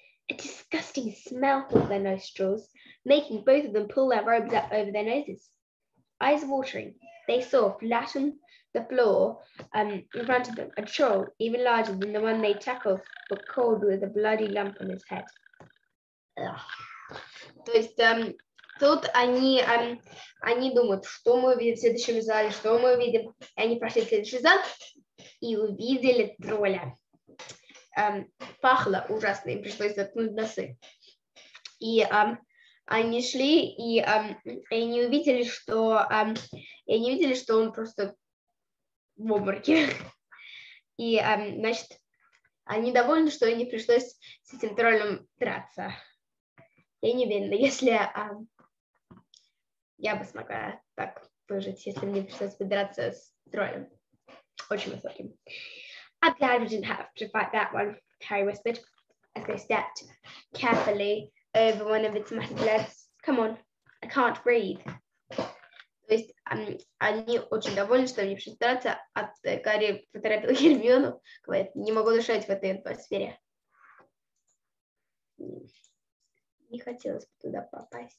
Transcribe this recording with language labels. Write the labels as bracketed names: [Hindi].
[English] A disgusting smell filled their nostrils, making both of them pull their robes up over their noses. Eyes watering, they saw flat on the floor in front of them a troll even larger than the one they tackled, but cold with a bloody lump on his head. [Russian] То есть тут они думают, что мы увидим в следующем зале, что мы увидим. И они прошли следующий зал и увидели тролля. Пахло ужасно, им пришлось заткнуть носы. И они шли, и они увидели, что и они видели, что он просто в обмороке. И значит, они довольны, что им не пришлось с этим троллем драться. Я не уверена, если я бы смогла так выжить, если мне пришлось бы драться с троллем. Очень высоким. [English] I'm glad we didn't have to fight that one, Harry whispered, as they stepped carefully over one of its massive legs. Come on, I can't breathe. [Russian] То есть они очень довольны, что мне пришлось драться, а Гарри поторопил Гермиону, говорит, не могу дышать в этой атмосфере. Не хотелось бы туда попасть.